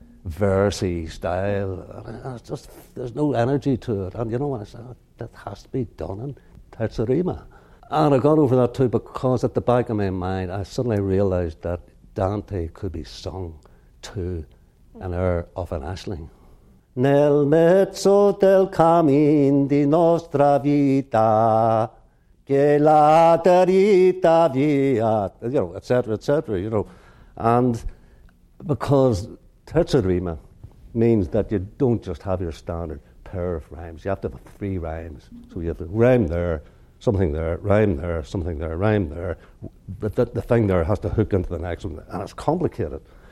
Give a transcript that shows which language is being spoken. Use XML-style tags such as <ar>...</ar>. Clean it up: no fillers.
<en>versey style. It's just, there's no energy to it. And you know what I said? That has to be done in Terzarima. And I got over that too because at the back of my mind, I suddenly realised that Dante could be sung to an air of an Aisling.</en> <it>Nel mezzo del cammin di nostra vita, che la terita via,</it> <en>you know, etc., etc., you know. And because Terzarima means that you don't just have your standard pair of rhymes, you have to have three rhymes. So you have to rhyme there, something there, rhyme there, something there, rhyme there. But the thing there has to hook into the next one, and it's complicated.</en>